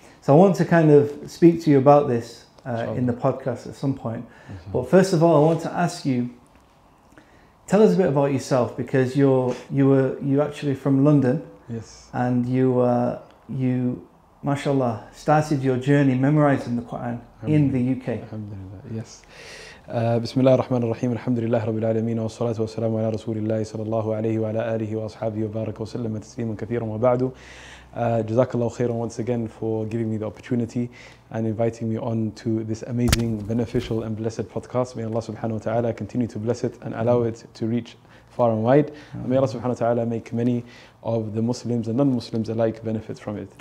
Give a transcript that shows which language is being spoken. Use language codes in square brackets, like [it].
[en] So I want to kind of speak to you about this in the podcast at some point. But first of all, I want to ask you, tell us a bit about yourself, because you're actually from London. Yes. And you mashallah, started your journey memorizing the Quran in the UK. Alhamdulillah, yes. [ar] بسم الله الرحمن الرحيم الحمد لله رب العالمين والصلاة والسلام على رسول الله صلى الله عليه وعلى آله وأصحابه وبارك وسلم تسليما كثيرا وبعد جزاك الله خيرا [en] once again for giving me the opportunity and inviting me on to this amazing beneficial and blessed podcast. May Allah subhanahu wa ta'ala continue to bless it and allow it to reach far and wide. May Allah subhanahu wa ta'ala make many of the Muslims and non-Muslims alike benefit from it.